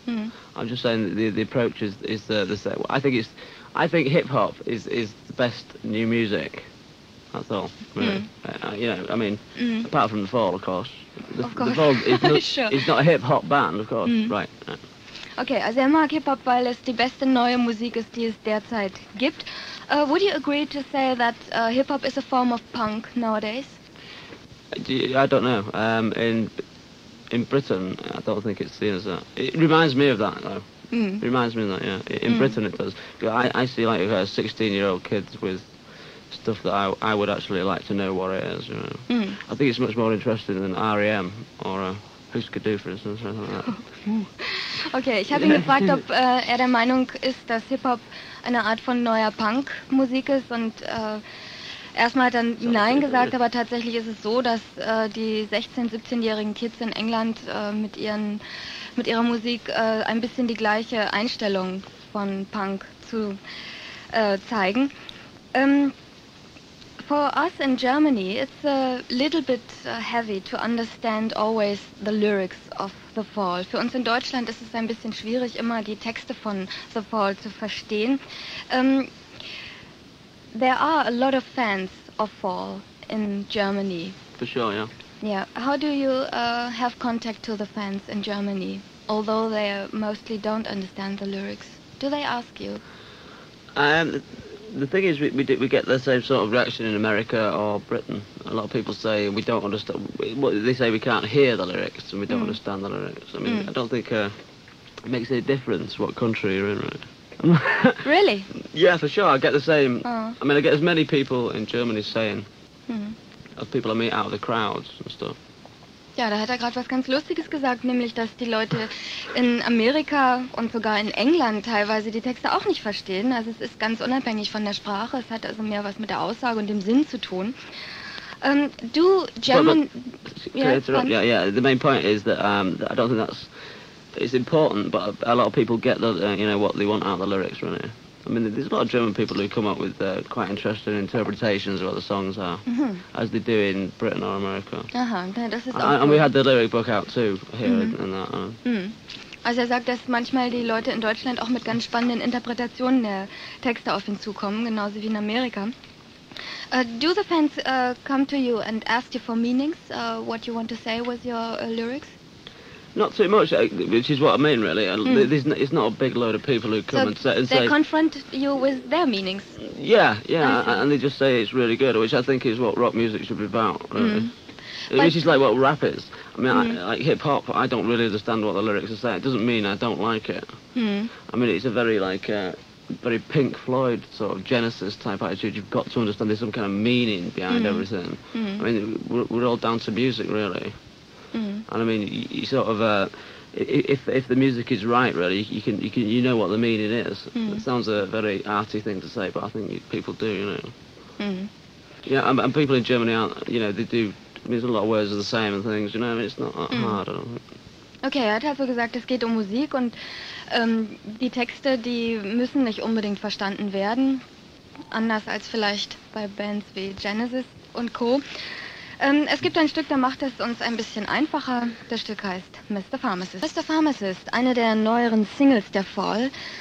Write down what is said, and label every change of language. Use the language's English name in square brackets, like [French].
[English] I'm just saying that the approach is the same. I think hip-hop is the best new music. That's all. Really. Apart from The Fall, of course. Of course. The Fall is not, sure. is not a hip-hop band, of course. Mm. Right. [German] Okay, also er mag Hip-Hop, weil es die beste neue Musik ist, die es derzeit gibt. [English] Would you agree to say that Hip-Hop is a form of punk nowadays? I don't know. In Britain, I don't think it's seen as that. It reminds me of that, though. Mm. It reminds me of that, yeah. In Britain it does. I see, like, 16-year-old kids with stuff that I would actually like to know what it is, you know. Mm. I think it's much more interesting than R.E.M. or Husker Du, for instance, or something like that. [German] Okay, ich habe ihn gefragt, ob der Meinung ist, dass Hip-Hop eine Art von neuer Punk-Musik ist, und erstmal hat er Nein gesagt, aber tatsächlich ist es so, dass die 16-, 17-jährigen Kids in England mit ihrer Musik ein bisschen die gleiche Einstellung von Punk zu zeigen. [English] For us in Germany, it's a little bit heavy to understand always the lyrics of The Fall. [German] Für uns in Deutschland ist es ein bisschen schwierig, immer die Texte von The Fall zu verstehen. [English] There are a lot of fans of Fall in Germany. For sure, yeah. Yeah. How do you have contact to the fans in Germany, although they mostly don't understand the lyrics? Do they ask you? The thing is, we get the same sort of reaction in America or Britain. A lot of people say we don't understand. They say we can't hear the lyrics and we don't understand the lyrics. I don't think it makes any difference what country you're in, right? Really? Yeah, for sure. I get the same. Oh. I mean, I get as many people in Germany saying as people I meet out of the crowds and stuff. [German] Ja, da hat gerade was ganz Lustiges gesagt, nämlich, dass die Leute in Amerika und sogar in England teilweise die Texte auch nicht verstehen. Also es ist ganz unabhängig von der Sprache. Es hat also mehr was mit der Aussage und dem Sinn zu tun. [English] Do German... The main point is that I don't think that's... It's important, but a lot of people get the, you know, what they want out of the lyrics, right? I mean, there's a lot of German people who come up with quite interesting interpretations of what the songs are, as they do in Britain or America. And we had the lyric book out too here and that. [German] Also sagt, dass manchmal die Leute in Deutschland auch mit ganz spannenden Interpretationen der Texte auf ihn zukommen, genauso wie in Amerika. [English] Do the fans come to you and ask you for meanings, what you want to say with your lyrics? Not too much, which is what I mean, really. It's not a big load of people who come and say... they confront you with their meanings? Yeah, and they just say it's really good, which I think is what rock music should be about, really. Which is like what rap is. I mean, like hip-hop, I don't really understand what the lyrics are saying. It doesn't mean I don't like it. I mean, it's a very, like, very Pink Floyd sort of Genesis-type attitude. You've got to understand there's some kind of meaning behind everything. I mean, we're all down to music, really. And I mean, you sort of if the music is right, really, you can you know what the meaning is. It sounds a very arty thing to say, but I think people do, you know. Yeah, and people in Germany aren't, you know, they do. I mean, a lot of words are the same and things, you know. I mean, it's not that hard. I don't think. [German] Okay, er hat also gesagt, es geht Musik und die Texte, die müssen nicht unbedingt verstanden werden, anders als vielleicht bei Bands wie Genesis und Co. Es gibt ein Stück, da macht es uns ein bisschen einfacher. Das Stück heißt Mr. Pharmacist. Mr. Pharmacist, eine der neueren Singles der Fall.